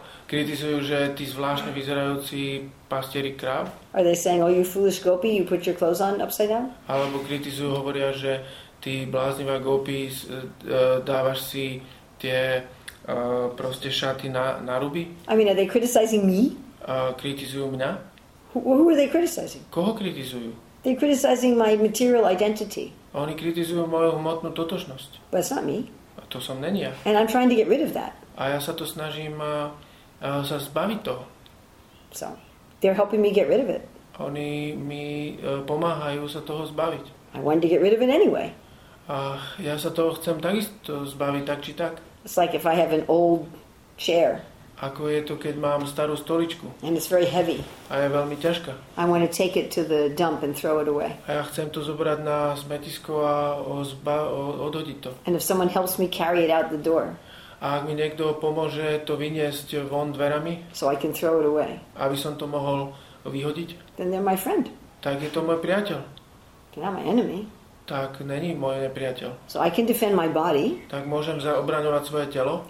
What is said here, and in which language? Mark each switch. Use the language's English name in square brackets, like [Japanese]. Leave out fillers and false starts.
[Slovak] Kritizujú, že ty zvláštne vyzerajúci pastierik kráv? [English] Are they saying, oh, you foolish gopi, you put your clothes on upside down? [Slovak] Alebo kritizujú, hovoria, že ty bláznivá gopi, dávaš si tie proste šaty na ruby? [English] I mean, are they criticizing me? [Slovak] Kritizujú mňa? [English] Who are they criticizing? [Slovak] Koho kritizujú? [English] They're criticizing my material identity. [Slovak] Oni kritizujú moju hmotnú totožnosť. [English] But it's not me. [Slovak] A to som není ja. [English] And I'm trying to get rid of that. [Slovak] A ja sa to snažím sa zbaviť toho. [English] So, they're helping me get rid of it. [Slovak] Oni mi pomáhajú sa toho zbaviť. [English] I wanted to get rid of it anyway. [Slovak] A ja sa toho chcem takisto zbaviť, tak či tak. [English] It's like if I have an old chair. [Slovak] Ako je to, keď mám starú stoličku? [English] And it's very heavy. [Slovak] A je veľmi ťažká. [English] I want to take it to the dump and throw it away. [Slovak] A ja chcem to zobrať na smetisko a odhodiť to. [English] And if someone helps me carry it out the door. [Slovak] A ak mi niekto pomôže to vyniesť von dverami, [English] so I can throw it away. [Slovak] Aby som to mohol vyhodiť. [English] Then they're my friend. [Slovak] Tak je to môj priateľ. [English] They're not my enemy. [Slovak] Tak není môj nepriateľ. [English] So I can defend my body. [Slovak] Tak môžem obraňovať svoje telo.